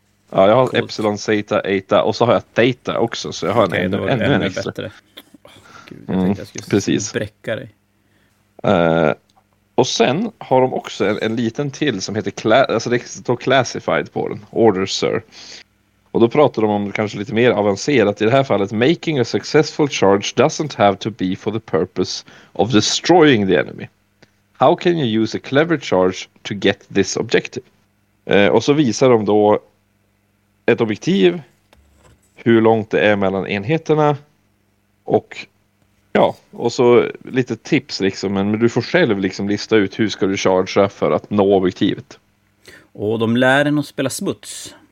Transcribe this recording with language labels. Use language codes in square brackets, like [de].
[sv] Ja, jag har epsilon, zeta, eta. Och så har jag theta också, så jag har ännu en extra. Bättre. Gud, jag tänkte jag skulle spräcka dig. Och sen har de också en liten till som heter alltså det står classified på den, order sir. Och då pratar de om det kanske lite mer avancerat i det här fallet. [en] Making a successful charge doesn't have to be for the purpose of destroying the enemy. How can you use a clever charge to get this objective? [sv] Och så visar de då ett objektiv, hur långt det är mellan enheterna och ja, och så lite tips liksom, men du får själv liksom lista ut hur ska du chargea för att nå objektivet. Och de lär en att spela smuts.